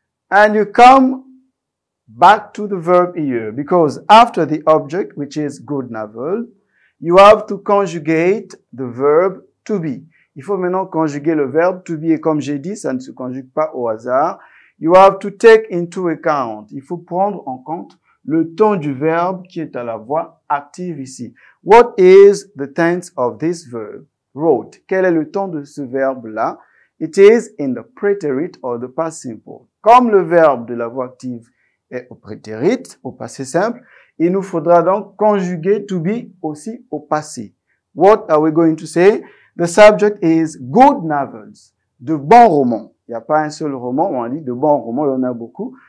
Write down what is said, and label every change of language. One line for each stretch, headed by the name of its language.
English: And you come back to the verb here, because after the object, which is good novel, you have to conjugate the verb to be.
French: Il faut maintenant conjuguer le verbe to be. Et comme j'ai dit, ça ne se conjugue pas au hasard.
English: You have to take into account.
French: Il faut prendre en compte le temps du verbe qui est à la voix active ici.
English: What is the tense of this verb? Wrote.
French: Quel est le temps de ce verbe-là?
English: It is in the preterite or the past simple.
French: Comme le verbe de la voix active est au prétérite, au passé simple, il nous faudra donc conjuguer to be aussi au passé.
English: What are we going to say? The subject is good novels. De bons romans.
French: Il n'y a pas un seul roman, on dit de bons romans, il y en a beaucoup.